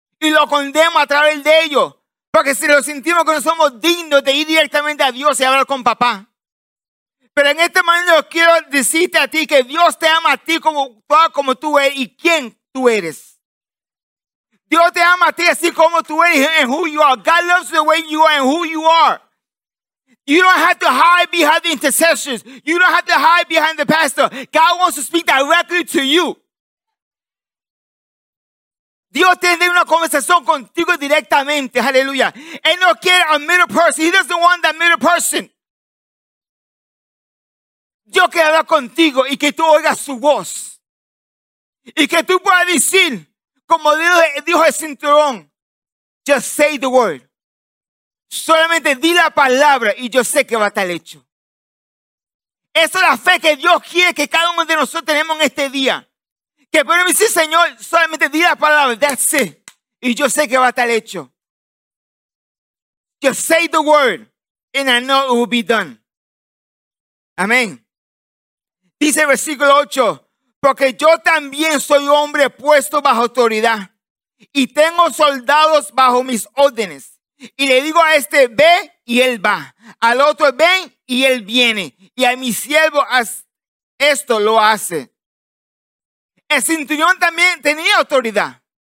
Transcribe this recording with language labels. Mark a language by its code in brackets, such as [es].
[es] Y lo condeno a través de ellos. Porque si lo sentimos que no somos dignos de ir directamente a Dios y hablar con papá. Pero en este momento yo quiero decirte a ti que Dios te ama a ti como tú eres y quién tú eres. Dios te ama a ti así como tú eres [en] and who you are. God loves the way you are and who you are. You don't have to hide behind the intercessions. You don't have to hide behind the pastor. God wants to speak directly to you. [es] Dios tiene una conversación contigo directamente. Aleluya. Él no quiere a [en] middle person. He doesn't want that middle person. [es] Dios quiere hablar contigo y que tú oigas su voz. Y que tú puedas decir, como dijo el cinturón, [en] just say the word. [es] Solamente di la palabra y yo sé que va a estar hecho. Esa es la fe que Dios quiere que cada uno de nosotros tenemos en este día. Que pero dice, Señor, solamente di la palabra, [en] that's it. [es] Y yo sé que va a estar hecho. [en] Just say the word and I know it will be done. [es] Amén. Dice el versículo 8, porque yo también soy hombre puesto bajo autoridad y tengo soldados bajo mis órdenes. Y le digo a este, ve, y él va. Al otro, ven, y él viene. Y a mi siervo, esto lo hace. El centurión también tenía autoridad.